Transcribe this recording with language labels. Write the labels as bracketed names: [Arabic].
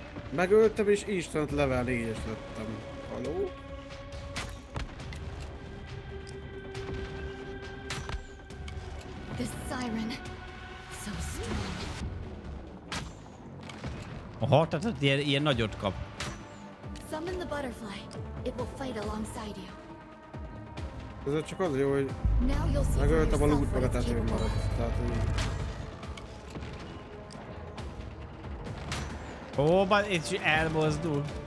[Hungarian] Megöltem és instant level 4-es lettem. Haló? [English] This siren. So strong. [Hungarian] Aha, tehát ilyen nagyot kap. [English] Summon the butterfly. It will fight alongside you. [Hungarian] Ez csak az jó, hogy megöltem a loot meg a tetőn maradt. Tehát így. Ó, bár itt is elmozdul.